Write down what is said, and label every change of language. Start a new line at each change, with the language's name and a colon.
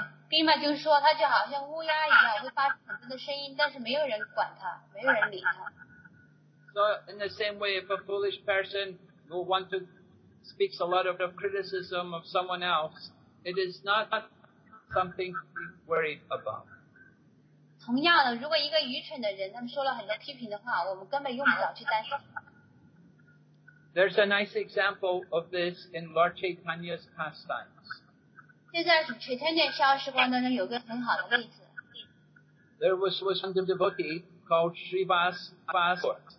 Chinese: Bhima 就说他就好像乌鸦一样会发出很多的声音但是没有人管他没有人理他
English: So in the same way if a foolish person who wants to speak a lot of criticism of someone else it is not something to be worried about
Chinese: 同样的如果一个愚蠢的人他们说了很多批评的话我们根本用不着去担心
English: There's a nice example of this in Lord Chaitanya's pastimes There was one devotee called Srivas Basur.